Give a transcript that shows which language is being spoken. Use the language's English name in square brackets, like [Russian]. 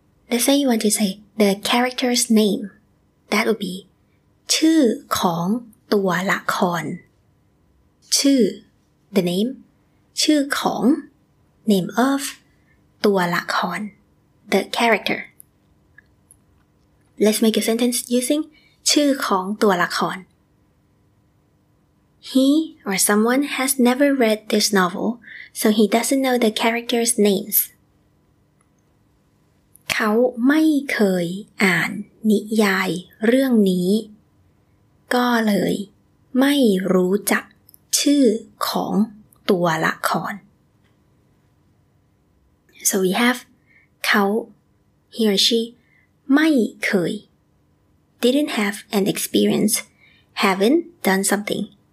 [English] Let's say you want to say the character's name. That would be [Thai] ชื่อของตัวละคร [English] ชื่อ the name, [Thai] ชื่อของ [English] name of ตัวละคร the character. Let's make a sentence using [Thai] ชื่อของตัวละคร [English] He or someone has never read this novel, so he doesn't know the characters' names. [Thai] เขาไม่เคยอ่านนิยายเรื่องนี้ก็เลยไม่รู้จักชื่อของตัวละคร [English] So we have เขา he or she ไม่เคยDidn't have an experience, haven't done something.